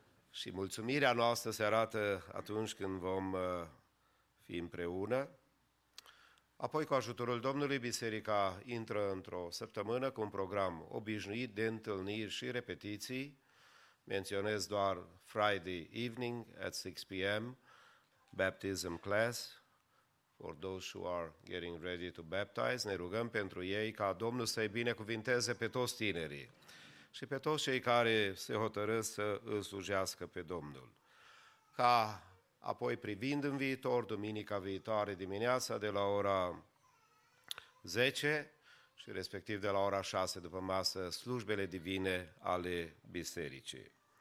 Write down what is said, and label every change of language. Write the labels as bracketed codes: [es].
[ro] Și mulțumirea noastră se arată atunci când vom fi împreună. Apoi, cu ajutorul Domnului, biserica intră într-o săptămână cu un program obișnuit de întâlniri și repetiții. Menționez doar [en] Friday evening at 6 p.m. baptism class for those who are getting ready to baptize. [ro] Ne rugăm pentru ei ca Domnul să-i binecuvinteze pe toți tinerii și pe toți cei care se hotărăsc să îl slujească pe Domnul. Ca apoi, privind în viitor, duminica viitoare dimineața de la ora 10 și respectiv de la ora 6 după masă, slujbele divine ale bisericii.